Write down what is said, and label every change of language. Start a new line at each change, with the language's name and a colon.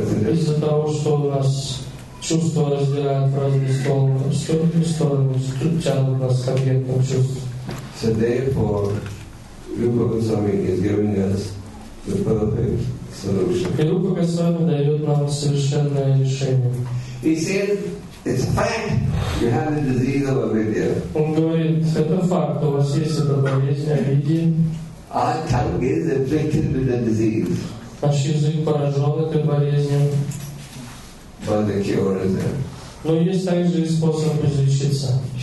Russian: Из-за того, что у нас чувства разделяют в разные стороны, тут тянут нас к объектам чувств.
English: So therefore, Rupa Goswami is giving us the perfect solution.
Russian: И Рупа Госвами дает нам совершенное решение.
English: He said, it's a fact, you have the disease of avidya.
Russian: Он говорит, это факт, у вас есть эта болезнь, обидение.
English: Our tongue is afflicted with the disease.
Russian: Наш язык поражен этой болезнью.
English: But the cure is there.
Russian: Но есть также и способ излечиться.